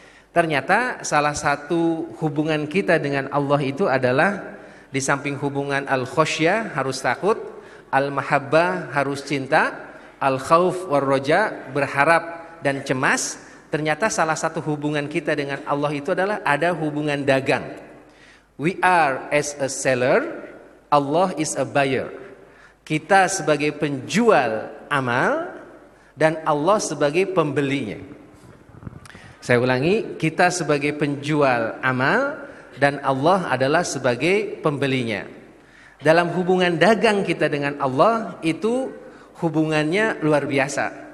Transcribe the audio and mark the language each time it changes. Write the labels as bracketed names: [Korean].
[Indonesian] Ternyata salah satu hubungan kita dengan Allah itu adalah di samping hubungan al-khosyah harus takut, al-mahabbah harus cinta, al-khauf war-roja berharap dan cemas, ternyata salah satu hubungan kita dengan Allah itu adalah ada hubungan dagang. [English] We are as a seller, Allah is a buyer. [Indonesian] Kita sebagai penjual amal dan Allah sebagai pembelinya. Saya ulangi, kita sebagai penjual amal dan Allah adalah sebagai pembelinya. Dalam hubungan dagang kita dengan Allah itu hubungannya luar biasa.